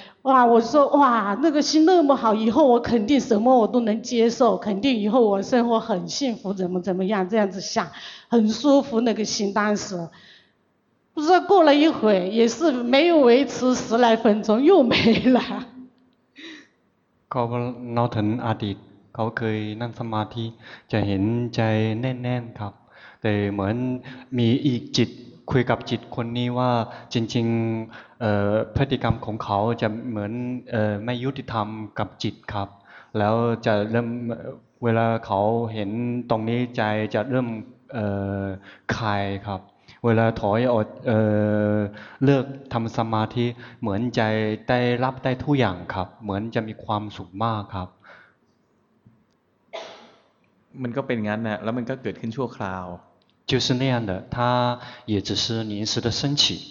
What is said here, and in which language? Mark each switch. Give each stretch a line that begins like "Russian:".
Chinese: 哇，我说哇，那个心那么好，以后我肯定什么我都能接受，肯定以后我生活很幸福，怎么样，这样子想，很舒服那个心。当时不知道过了一会，也是没有维持十来分钟，又没了。
Thai: เขาเราถึงอดีตเขาเคยนั่งสมาธิจะเห็นใจแน่นๆครับแต่เหมือนมีอีกจิตคุยกับจิตคนนี้ว่าจริงๆพฤติกรรมของเขาจะเหมือนไม่ยุติธรรมกับจิตครับแล้วจะเริ่มเวลาเขาเห็นตรงนี้ใจจะเริ่ม คลายครับเวลาถอยออกเลิกทำสมาธิเหมือนใจได้รับได้ทุกอย่างครับเหมือนจะมีความสุขมากครับ มันก็เป็นงั้นนะแล้วมันก็เกิดขึ้นชั่วคราว
Chinese: 就是那样的它也只是临时的升起